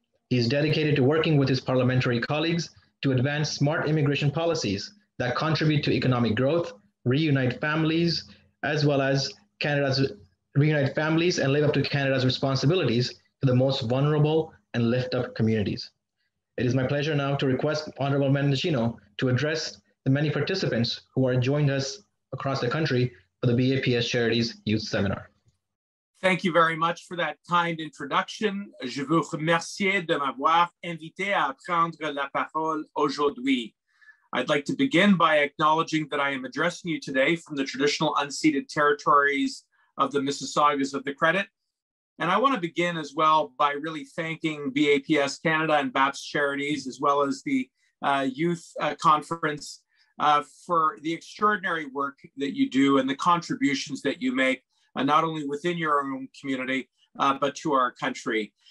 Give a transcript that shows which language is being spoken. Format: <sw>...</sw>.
<en>He is dedicated to working with his parliamentary colleagues to advance smart immigration policies that contribute to economic growth, reunite families, and live up to Canada's responsibilities to the most vulnerable and lift up communities. It is my pleasure now to request Honorable Mendocino to address the many participants who are joined us across the country for the BAPS Charities Youth Seminar. Thank you very much for that kind introduction.</en> <fr>Je vous remercie de m'avoir invité à prendre la parole aujourd'hui.</fr> <en>I'd like to begin by acknowledging that I am addressing you today from the traditional unceded territories of the Mississaugas of the Credit. And I want to begin as well by really thanking BAPS Canada and BAPS Charities, as well as the Youth Conference, for the extraordinary work that you do and the contributions that you make, not only within your own community, but to our country.</en>